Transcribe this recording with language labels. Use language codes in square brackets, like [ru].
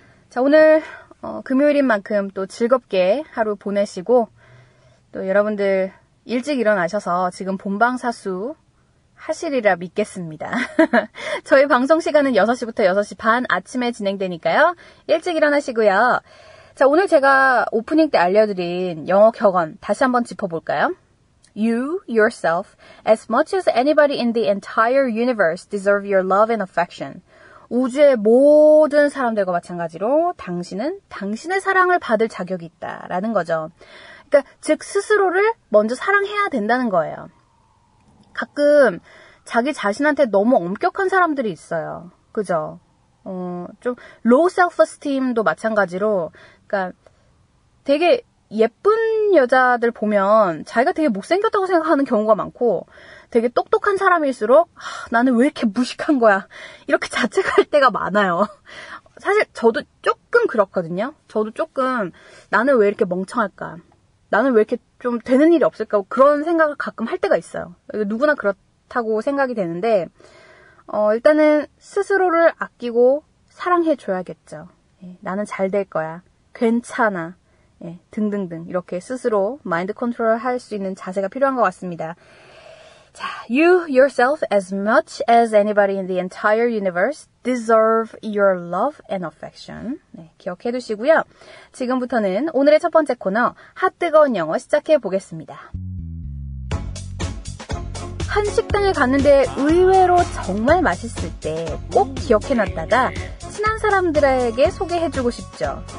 [ko] 자, 오늘 금요일인 만큼 또 즐겁게 하루 보내시고 또 여러분들 일찍 일어나셔서 지금 본방사수 하시리라 믿겠습니다. 저희 방송 시간은 6시부터 6시 반 아침에 진행되니까요. 일찍 일어나시고요. 자, 오늘 제가 오프닝 때 알려드린 영어 격언 다시 한번 짚어볼까요? [en] You, yourself, as much as anybody in the entire universe deserve your love and affection. [ko] 우주의 모든 사람들과 마찬가지로 당신은 당신의 사랑을 받을 자격이 있다라는 거죠. 그러니까 즉 스스로를 먼저 사랑해야 된다는 거예요. 가끔 자기 자신한테 너무 엄격한 사람들이 있어요. 그죠? 좀 [en] low self-esteem [ko] 도 마찬가지로 그러니까 되게 예쁜 여자들 보면 자기가 되게 못생겼다고 생각하는 경우가 많고 되게 똑똑한 사람일수록 나는 왜 이렇게 무식한 거야 이렇게 자책할 때가 많아요. 사실 저도 조금 그렇거든요. 저도 조금 나는 왜 이렇게 멍청할까, 나는 왜 이렇게 좀 되는 일이 없을까 그런 생각을 가끔 할 때가 있어요. 누구나 그렇다고 생각이 되는데 일단은 스스로를 아끼고 사랑해줘야겠죠. 나는 잘 될 거야, 괜찮아. 예, 등등등 이렇게 스스로 마인드 컨트롤 할 수 있는 자세가 필요한 것 같습니다. [en] 자, You, yourself, as much as anybody in the entire universe deserve your love and affection. [ko] 네, 기억해 두시고요. 지금부터는 오늘의 첫 번째 코너 핫뜨거운 영어 시작해 보겠습니다. 한 식당을 갔는데 의외로 정말 맛있을 때 꼭 기억해 놨다가 친한 사람들에게 소개해 주고 싶죠.